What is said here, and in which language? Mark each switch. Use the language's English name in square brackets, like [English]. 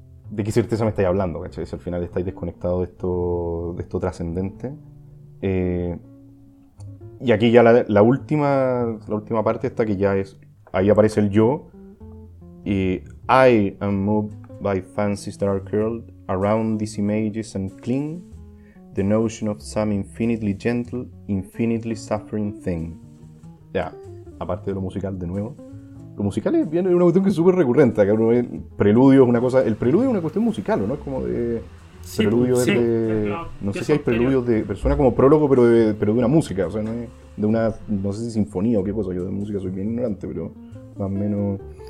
[Spanish] ¿De qué certeza me estáis hablando? ¿Cachai? Si al final estáis desconectados de esto trascendente. Y aquí ya la última parte está que ya es. Ahí aparece el yo. [English] Y I am moved by fancies that are curled around these images and cling the notion of some infinitely gentle, infinitely suffering thing. [Spanish] Ya, aparte de lo musical de nuevo. Lo musical es bien, una cuestión que es súper recurrente. Que uno, el preludio es una cosa. El preludio es una cuestión musical, ¿no? Es como de. Sí, preludio sí, es de. No sé si hay preludios de. Persona como prólogo, pero de una música. O sea, no es. De una. No sé si sinfonía o qué cosa. Yo de música soy bien ignorante, pero más o menos.